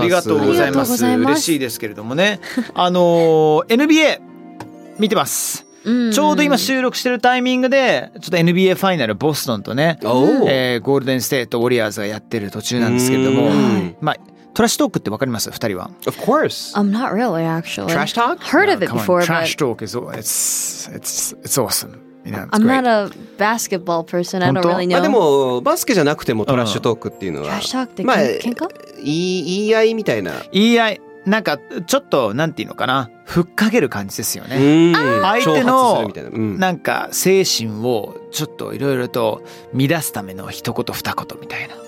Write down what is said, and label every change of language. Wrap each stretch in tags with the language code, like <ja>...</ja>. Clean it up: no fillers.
<ja>ありがとうございます。嬉しいですけれどもね、NBA見てます、うんうん、ちょうど今収録してるタイミングでちょっと NBA ファイナル、ボストンとね、ゴールデンステートウォリアーズがやってる途中なんですけれども、まあ、トラッシュトークってわかります？2人は。</ja> <en>Of course. I'm not really actually. Trash talk? Heard of it before. Trash talk is it's awesome. You know, I'm not a basketball person. I don't really know.</en> <ja>まあ、でもバスケじゃなくてもトラッシュトークっていうのは、トラッシュトークって喧嘩、言い合いみたいな、言い合い、なんかちょっとなんていうのかな、ふっかける感じですよね。相手のなんか精神をちょっといろいろと乱すための一言二言みたいな、</ja>